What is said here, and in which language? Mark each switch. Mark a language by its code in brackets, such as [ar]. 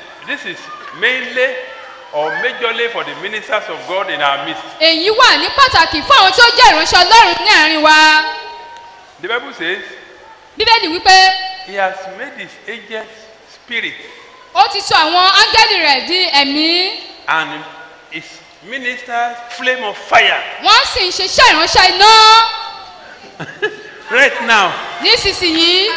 [en] This is mainly or majorly for the ministers of God in our midst. [yo] Èyí wà ní pàtàkì fún àwọn tí ó jẹ́ ìránṣẹ́ Ọlọ́run ní àárín wa. [en] The Bible says. [yo] Bíbélì wípé. [en] He has made his angels spirit. [yo] Ó ti sọ àwọn áńgẹ́lì rẹ̀ di ẹ̀mí. [en] And his ministers flame of fire. [yo] Wọ́n sì ń ṣiṣẹ́ ìránṣẹ́ iná. [en] Right now. [yo] Nísinsìnyí.